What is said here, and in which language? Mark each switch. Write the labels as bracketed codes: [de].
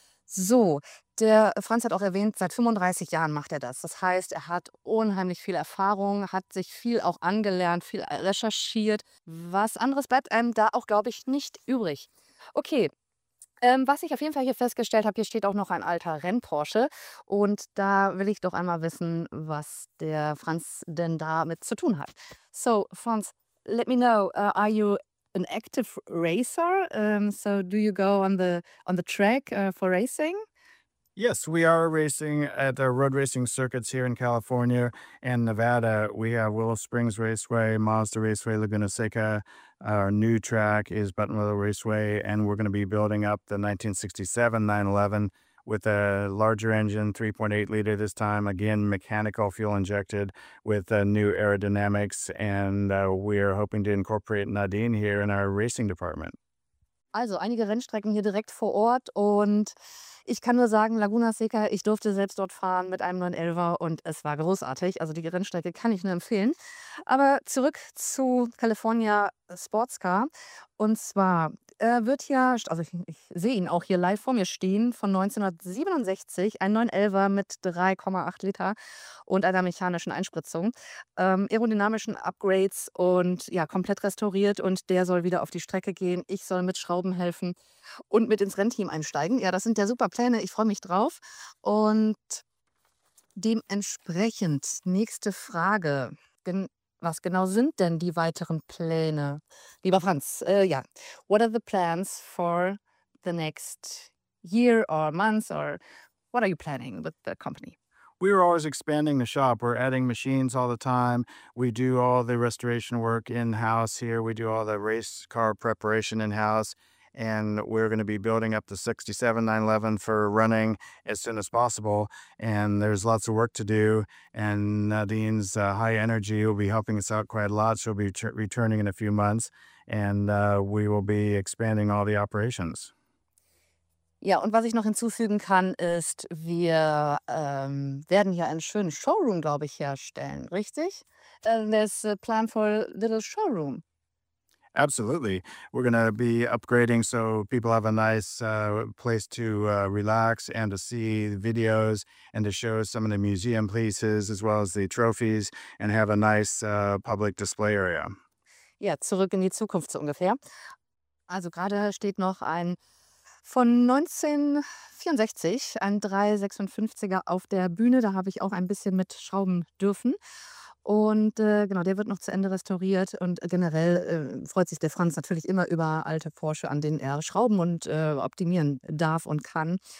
[de] So, der Franz hat auch erwähnt, seit 35 Jahren macht er das. Das heißt, er hat unheimlich viel Erfahrung, hat sich viel auch angelernt, viel recherchiert. Was anderes bleibt einem da auch, glaube ich, nicht übrig. Okay, was ich auf jeden Fall hier festgestellt habe, hier steht auch noch ein alter Renn-Porsche. Und da will ich doch einmal wissen, was der Franz denn damit zu tun hat. [en] So, Franz, let me know, are you an active racer? So do you go on the track for racing? Yes, we are racing at the road racing circuits here in California and Nevada. We have Willow Springs Raceway, Mazda Raceway, Laguna Seca. Our new track is Buttonwillow Raceway, and we're going to be building up the 1967 911 with a larger engine, 3.8 liter this time, again, mechanical fuel injected with new aerodynamics. And we're hoping to incorporate Nadine here in our racing department. [de] Also einige Rennstrecken hier direkt vor Ort. Und ich kann nur sagen, Laguna Seca, ich durfte selbst dort fahren mit einem 911er und es war großartig. Also die Rennstrecke kann ich nur empfehlen. Aber zurück zu California Sports Car. Und zwar, wird ja, also ich sehe ihn auch hier live vor mir stehen, von 1967, ein 911er mit 3,8 Liter und einer mechanischen Einspritzung, aerodynamischen Upgrades und ja, komplett restauriert, und der soll wieder auf die Strecke gehen. Ich soll mit Schrauben helfen und mit ins Rennteam einsteigen. Ja, das sind ja super Pläne. Ich freue mich drauf. Und dementsprechend, nächste Frage. Was genau sind denn die weiteren Pläne? Lieber Franz, ja. [en] What are the plans for the next year or months, or what are you planning with the company? We're always expanding the shop. We're adding machines all the time. We do all the restoration work in-house here. We do all the race car preparation in-house. And we're going to be building up the 67 911 for running as soon as possible. And there's lots of work to do. And Nadine's high energy will be helping us out quite a lot. She'll be returning in a few months. And we will be expanding all the operations. [de] Ja, und was ich noch hinzufügen kann, ist, wir werden hier einen schönen Showroom, glaube ich, herstellen, richtig? [en] There's a plan for a little showroom. Absolutely. We're going to be upgrading so people have a nice place to relax and to see videos and to show some of the museum pieces as well as the trophies and have a nice public display area. [de] Ja, zurück in die Zukunft so ungefähr. Also gerade steht noch ein von 1964, ein 356er auf der Bühne. Da habe ich auch ein bisschen mit schrauben dürfen. Und genau, der wird noch zu Ende restauriert. Und generell freut sich der Franz natürlich immer über alte Porsche, an denen er schrauben und optimieren darf und kann.